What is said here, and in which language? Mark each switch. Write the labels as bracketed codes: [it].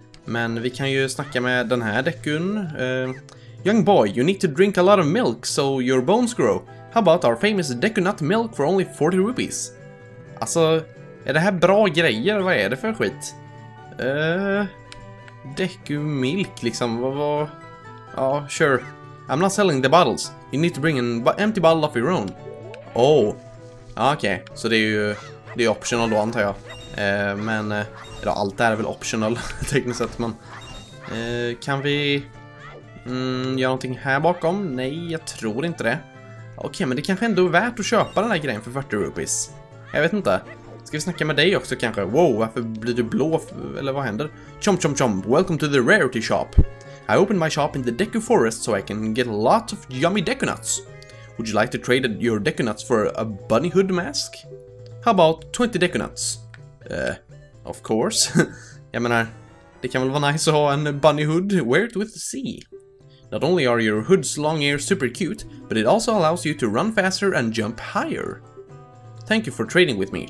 [sv] Men vi kan ju snacka med den här Deckun. [en] Young boy, you need to drink a lot of milk so your bones grow. How about our famous Deku nut milk for only 40 rupees? [sv] Alltså, är det här bra grejer? Vad är det för skit? Deku milk liksom, vad? Ja, sure. [en] I'm not selling the bottles. You need to bring an empty bottle of your own. Oh. [sv] Okej, så det är ju optional då antar jag. Men allt det här är väl optional tekniskt sett, men kan vi göra någonting här bakom? Nej, jag tror inte det. Okej, men det kanske ändå är värt att köpa den här grejen för 40 rupees. Jag vet inte. Ska vi snacka med dig också kanske? Wow, varför blir du blå? Eller vad händer? Chom chom chom, [en] welcome to the rarity shop. I opened my shop in the Deku Forest so I can get lots of yummy Deku nuts. Would you like to trade your Deku nuts for a bunny hood mask? How about 20 Deku nuts? Of course. [sv] Jag menar, det kan väl vara nice att ha en bunny hood. [en] Wear it with C. Not only are your hood's long ears super cute, but it also allows you to run faster and jump higher. Thank you for trading with me.